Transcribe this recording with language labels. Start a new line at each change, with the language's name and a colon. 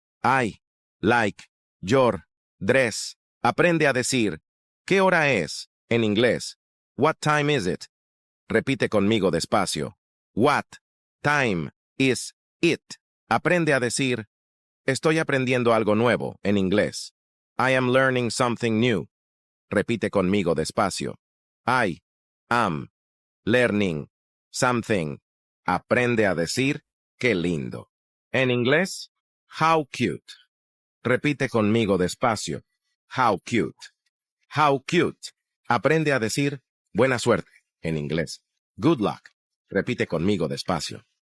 English: I like your dress.
Spanish: Aprende a decir, ¿qué hora es? En inglés.
English: What time is it?
Spanish: Repite conmigo despacio.
English: What time is it?
Spanish: Aprende a decir, estoy aprendiendo algo nuevo, en inglés.
English: I am learning something new.
Spanish: Repite conmigo despacio.
English: I am learning something.
Spanish: Aprende a decir, qué lindo. En inglés,
English: how cute.
Spanish: Repite conmigo despacio.
English: How cute. How cute.
Spanish: Aprende a decir, buena suerte, en inglés.
English: Good luck.
Spanish: Repite conmigo despacio.